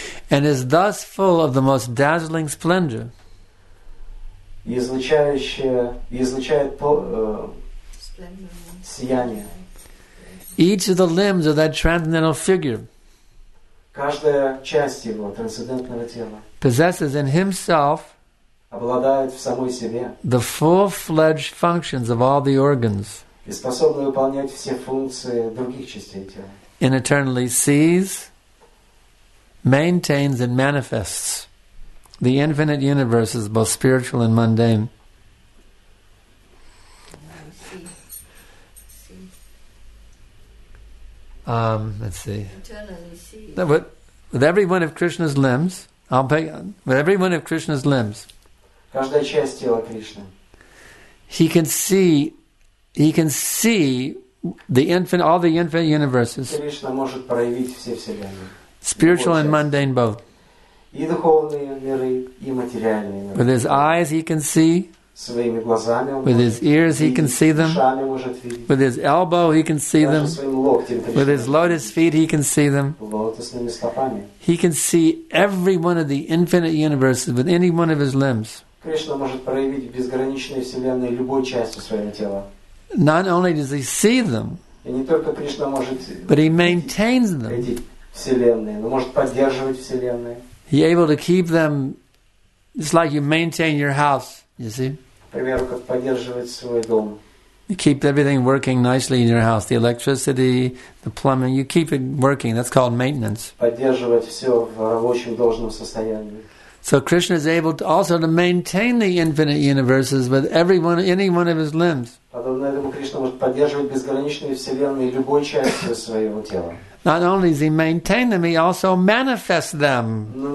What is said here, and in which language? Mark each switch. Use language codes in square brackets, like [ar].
[en] And is thus full of the most dazzling splendor. [ru] Излучает сияние. [en] Each of the limbs of that transcendental figure. [ru] Каждая часть его трансцендентного тела. [en] Possesses in himself. [ru] Обладает в самой себе. [en] The full-fledged functions of all the organs. [ru] И способна выполнять все функции других частей тела. [en] And eternally sees, maintains, and manifests. The infinite universe is both spiritual and mundane. Let's see. With every one of Krishna's limbs, with every one of Krishna's limbs, [ru] каждая часть тела Кришны. [en] He can see the infinite, all the infinite universes. [ru] Кришна может проявить все вселенные. [en] Spiritual and mundane both. [ru] И духовные миры, и материальные миры. [en] With his eyes he can see. [ru] Своими глазами он [en] with his ears [ru] видеть, [en] he can see them. [ru] Ушами может видеть. [en] With his elbow he can see [ru] даже [en] them. [ru] Своим локтем, [en] with his lotus feet he can see them. [ru] Лотосными стопами. [en] He can see every one of the infinite universes with any one of his limbs. [ru] Кришна может проявить в безграничной вселенной любой частью своего тела. [en] Not only does he see them, [ru] и не только Кришна может [en] but he maintains them. [ru] Эти вселенные, но может поддерживать вселенные. [en] He's able to keep them. It's like you maintain your house. You see. [ru] Например, как поддерживать свой дом. [en] You keep everything working nicely in your house, the electricity, the plumbing, you keep it working. That's called maintenance. [ru] Поддерживать все в рабочем должном состоянии. [en] So Krishna is able to also to maintain the infinite universes with everyone, any one of his limbs. Not only does he maintain them, he also manifests them.